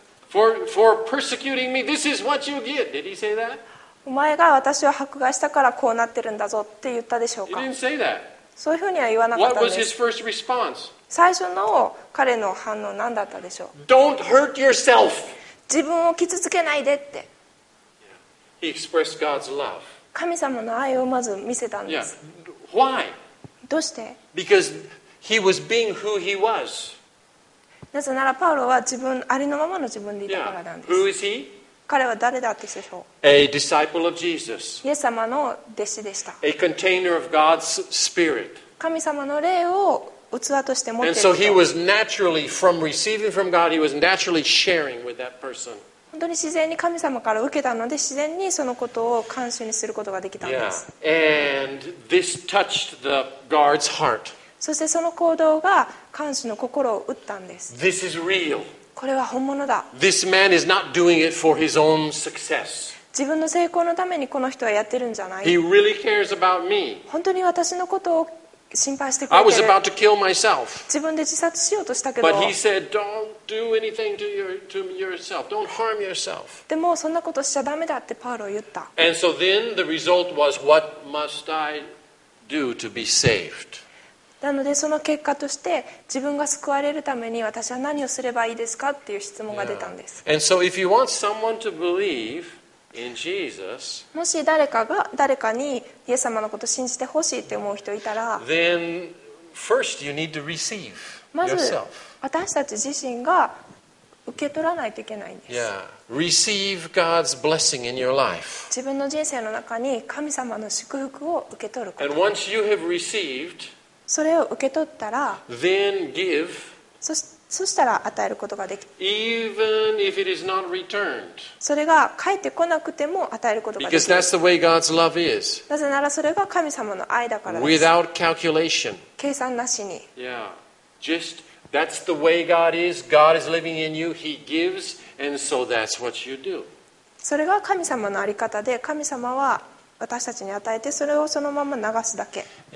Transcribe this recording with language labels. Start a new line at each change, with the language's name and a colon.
English: For persecuting me, this is what you get. Did he say that?
Japanese: お前が私を迫害したからこうなってるんだぞって言ったでしょうか。
English: He didn't say that.
Japanese: そういうふうには言わなかったんです。
English: What was his first response?
Japanese: 最初の彼の反応何だったでしょう。
English: Don't hurt yourself.
Japanese: 自分を傷つけないでって。
English: He expressed God's love.
Japanese: 神様の愛をまず見せたんです。
English: Yeah. Why?
Japanese: どうして
English: ？Because He was being who he was.
Japanese: なぜならパウロは自分ありのままの自分でいたからなんです。
English: Yeah. Who is he?
Japanese: 彼は誰だったでしょう。
English: A disciple of Jesus.
Japanese: イエス様の弟子でした。
English: A container of God's spirit.
Japanese: 神様の霊を器として持っている。
English: And so he was naturally, from receiving from God, he was naturally sharing with that person.
Japanese: 本当に自然に神様から受けたので、自然にそのことを感謝にすることができたんです。
English: Yeah. And this touched the guard's heart.
Japanese: そしてその行動が監視の心を打ったんです。
English: This is real.
Japanese: これは本物だ。
English: This man is not doing it for his own success.
Japanese: 自分の成功のためにこの人はやってるんじゃない。
English: He really cares about me.
Japanese: 本当に私のことを心配してくれてる。
English: I was about to kill myself.
Japanese: 自分で自殺しようとしたけど。
English: But he said, don't do anything to yourself. Don't harm yourself.
Japanese: でもそんなことしちゃダメだってパウロ言った。
English: And so then the result was, what must I do to be saved?
Japanese: なのでその結果として自分が救われるために私は何をすればいいですかっていう質問が出たんです。
English: Yeah. And so if you want someone to believe in Jesus,
Japanese: もし誰かにイエス様のことを信じてほしいって思う人いたら、
English: then first you need to receive yourself.
Japanese: まず私たち自身が受け取らないといけないんです。
English: Yeah. Receive God's blessing in your life.
Japanese: 自分の人生の中に神様の祝福を受け取ること。
English: And once you have received,
Japanese: それを受け取ったら、
English: Then give,
Japanese: そしたら与えることができ、
English: Even if it is not returned.
Japanese: それが返ってこなくても与えることができる。
English: Because that's the way God's love is.
Japanese: なぜならそれが神様の愛だからです。
English: Without calculation.
Japanese: 計算なしに。
English: Yeah. Just, that's the way God is. God is living in you. He gives, and so that's what you do.
Japanese: それが神様のあり方で、神様は私たちに与えてそれをそのまま流すだけ。